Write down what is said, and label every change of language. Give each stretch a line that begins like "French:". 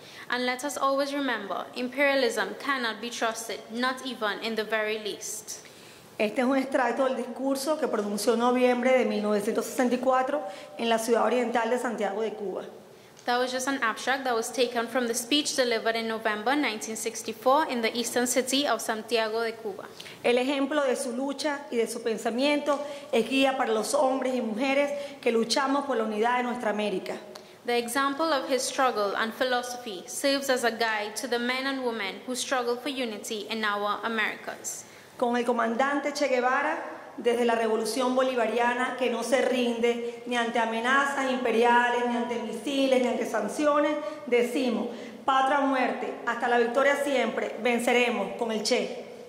English: And let us always remember, imperialism cannot be trusted, not even in the very least.
Spanish: Este es un extracto del discurso que pronunció en noviembre de 1964 en la ciudad oriental de Santiago de Cuba.
English: That was just an abstract that was taken from the speech delivered in November 1964 in the eastern city of Santiago de Cuba.
Spanish: El ejemplo de su lucha y de su pensamiento es guía para los hombres y mujeres que luchamos por la unidad de nuestra América.
English: The example of his struggle and philosophy serves as a guide to the men and women who struggle for unity in our Americas.
Spanish: Con el comandante Che Guevara, desde la revolución bolivariana que no se rinde ni ante amenazas imperiales, ni ante misiles, ni ante sanciones, decimos, patria o muerte, hasta la victoria siempre, venceremos con el Che.